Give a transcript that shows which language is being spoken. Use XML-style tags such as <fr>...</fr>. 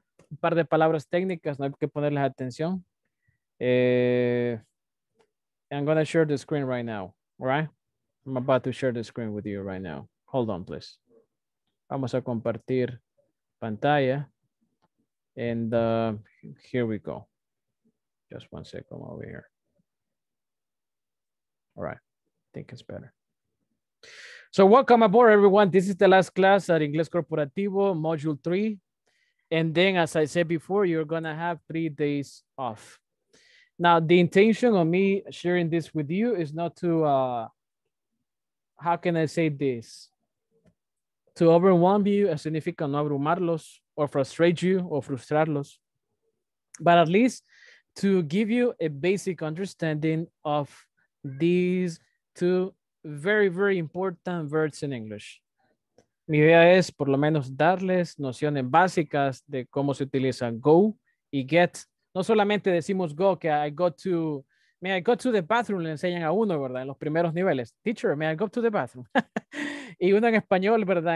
<es>Un par de palabras técnicas, no hay que ponerles atención.</es> <en>I'm going to share the screen right now, all right? I'm about to share the screen with you right now. Hold on, please.</en> <es>Vamos a compartir pantalla.</es> <en>And here we go. Just one second over here. All right, I think it's better. So welcome aboard, everyone. This is the last class at Inglés Corporativo, module 3. And then, as I said before, you're going to have 3 days off. Now, the intention of me sharing this with you is not to, how can I say this? To overwhelm you,</en> <es>significa no abrumarlos,</es> <en>or frustrate you, or</en> <es>frustrarlos.</es> <en>But at least to give you a basic understanding of these two very, very important words in English.</en> <es>Mi idea es por lo menos darles nociones básicas de cómo se utiliza go y get. No solamente decimos go, que</es> <en>I go to, may I go to the bathroom,</en> <es>le enseñan a uno, ¿verdad? En los primeros niveles.</es> <en>Teacher, may I go to the bathroom?</en> <es>Y uno en español, ¿verdad?</es>